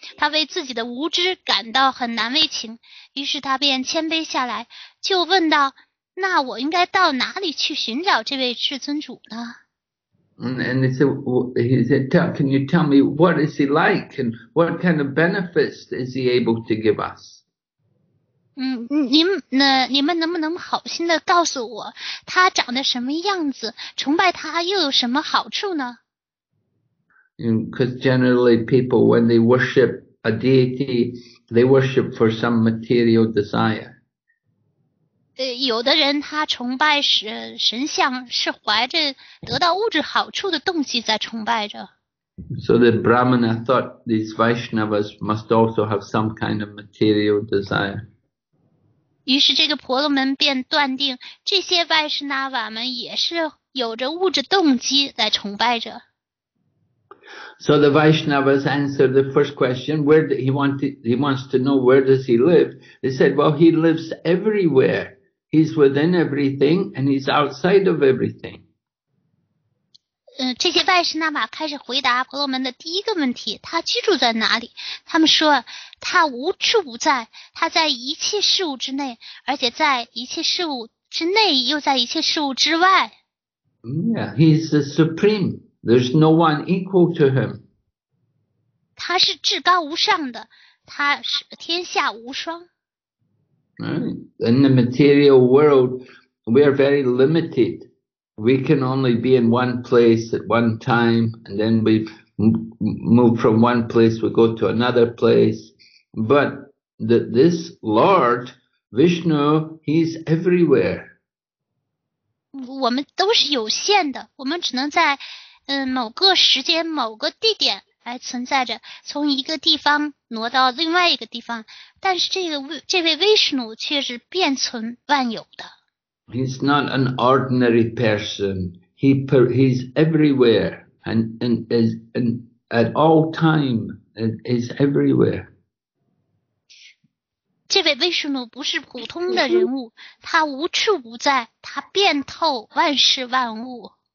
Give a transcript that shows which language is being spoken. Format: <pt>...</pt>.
<zh>他为自己的无知感到很难为情，于是他便谦卑下来，就问道，那我应该到哪里去寻找这位至尊主呢？</zh> <en>And he said, can you tell me what is he like and what kind of benefits is he able to give us?</en> <zh>你们能不能好心的告诉我，他长得什么样子，崇拜他又有什么好处呢？</zh> <en>Because generally people, when they worship a deity, they worship for some material desire.</en> <zh>有的人他崇拜神像是怀着得到物质好处的动机在崇拜着。</zh> <en>So the Brahmana thought these Vaishnavas must also have some kind of material desire.</en> <zh>于是这个婆罗门便断定这些 Vaishnava 们也是有着物质动机在崇拜着。</zh> <en>So the Vaishnavas answered the first question, he wants to know where does he live. They said, well, he lives everywhere. He's within everything and he's outside of everything.</en> <zh>这些 Vaishnava 开始回答婆罗门的第一个问题，他居住在哪里？他们说他无处不在，他在一切事物之内，而且在一切事物之内又在一切事物之外。</zh> <en>Yeah, he's the supreme. There's no one equal to him.</en> <zh>他是至高无上的，他是天下无双。</zh> <en>Right. In the material world, we are very limited. We can only be in one place at one time, and then we move from one place, we go to another place. But this Lord, Vishnu, he's everywhere.</en> <zh>我们都是有限的，我们只能在某个时间某个地点来存在着，从一个地方挪到另外一个地方，但是这位 Vishnu 却是遍存万有的。</zh> <en>He's not an ordinary person. He's everywhere and at all time is everywhere.</en> <zh>这位 Vishnu 不是普通的人物，他无处不在，他遍透万事万物。</zh>